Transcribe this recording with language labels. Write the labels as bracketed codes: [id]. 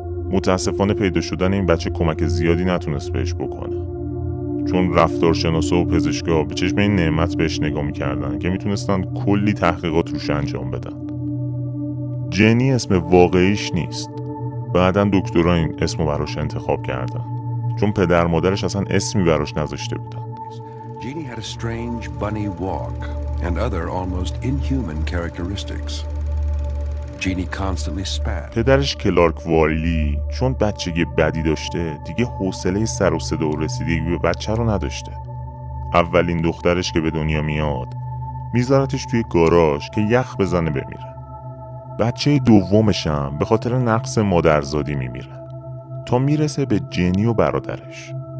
[fa] متاسفانه پیدا شدن این بچه کمک زیادی نتونست بهش بکنه، چون رفتارشناسا و پزشکا به چشم این نعمت بهش نگاه میکردن که میتونستن کلی تحقیقات روش انجام بدن. جنی اسم واقعیش نیست، بعدن دکترها این اسمو براش انتخاب کردن چون پدر مادرش اصلا اسمی براش نذاشته بودن. [en] Jeannie had a strange bunny walk and other almost inhuman characteristics. Jeannie constantly spat. [fa] پدرش کلارک وایلی چون بچگی بدی داشته، دیگه حوصله سر و صدا و رسیدگی به بچه رو نداشته. اولین دخترش که به دنیا میاد، میذارتش توی گاراژ که یخ بزنه بمیره. بچه دومش هم به خاطر نقص مادرزادی میمیره تا میرسه به جنی و برادرش.